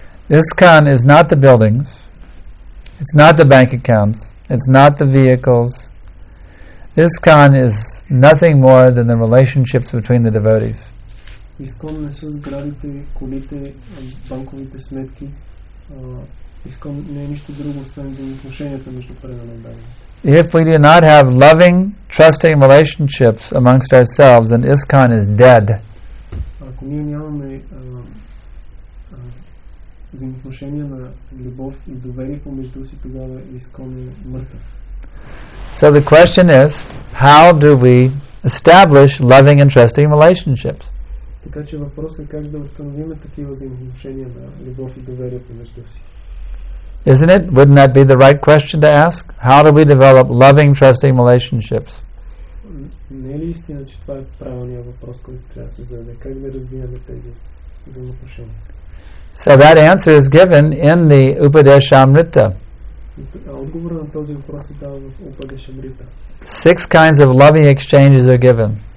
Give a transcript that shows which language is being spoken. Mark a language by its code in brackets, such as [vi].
[en] ISKCON is not the buildings. It's not the bank accounts. It's not the vehicles. ISKCON is nothing more than the relationships between the devotees. [bg] ISKCON не са сградите, колите, банковите сметки. ISKCON не е нищо друго, освен взаимоотношенията между преданите. [en] If we do not have loving, trusting relationships amongst ourselves, then ISKCON is dead. [bg] Ако ние нямаме взаимоотношения на любов и доверие помежду си, тогава ISKCON е мъртъв. [en] So the question is, how do we establish loving and trusting relationships? [bg] Така че въпросът е как да установим такива взаимоотношения на любов и доверие помежду си. [en] Isn't it? Wouldn't that be the right question to ask? How do we develop loving, trusting relationships? [bg] Не ли истина, че това е правилният въпрос, който трябва да се зададе? Как да развиваме тези взаимоотношения? [en] So that answer is given in the Upadeshamrita. [bg] Отговорът на този въпрос е дал в Упадешамрита. [en] Six kinds of loving exchanges are given.